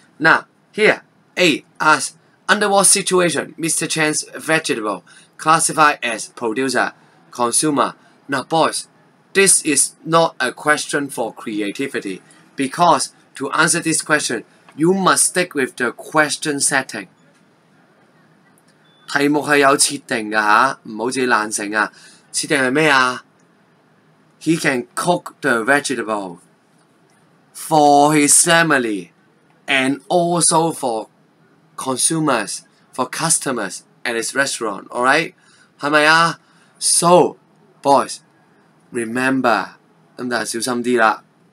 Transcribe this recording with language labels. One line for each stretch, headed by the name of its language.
English: Now, here, A, ask. Under what situation, Mr. Chen's vegetable classified as producer, consumer? Now, boys, this is not a question for creativity because to answer this question, you must stick with the question setting.
Cantonese: 題目係有設定㗎，唔好自己懶醒啊！設定係咩啊？
English: He can cook the vegetable for his family and also forconsumers, for customers at his restaurant, alright?
Cantonese: 係咪啊?
English: So, boys, remember,
Cantonese: 咁就小心啲啦。